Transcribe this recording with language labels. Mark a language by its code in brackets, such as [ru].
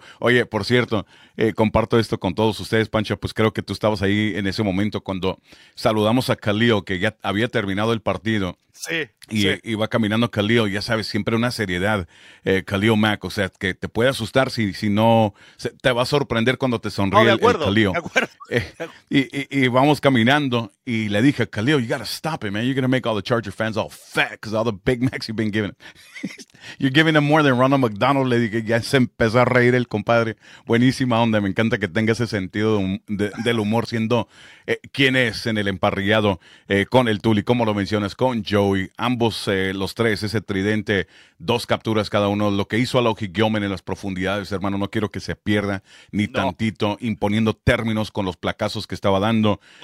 [es] Oye, por cierto, comparto esto con todos ustedes, Pancho. Pues creo que tú estabas ahí en ese momento cuando saludamos a Khalil, que ya había terminado el partido. Sí. Y va caminando Khalil, ya sabes, siempre una seriedad, Khalil Mack, o sea, que te puede asustar si no, te va a sorprender cuando te sonríe el Khalil. De acuerdo. Y vamos caminando, y le dije, [en] Khalil, you gotta stop it, man, you're gonna make all the Charger fans all fat, because all the Big Macs you've been giving, you're giving them more than Ronald McDonald. [es] Le dije, ya se empezó a reír el compadre, buenísima onda, me encanta que tenga ese sentido del humor, siendo quien es en el emparrillado con el Tuli, como lo mencionas, con Joey. Ambos, los tres, ese tridente, dos capturas cada uno. Lo que hizo Alohi Gilman en las profundidades, hermano, no quiero que se pierda ni tantito, imponiendo términos con los placazos que estaba dando.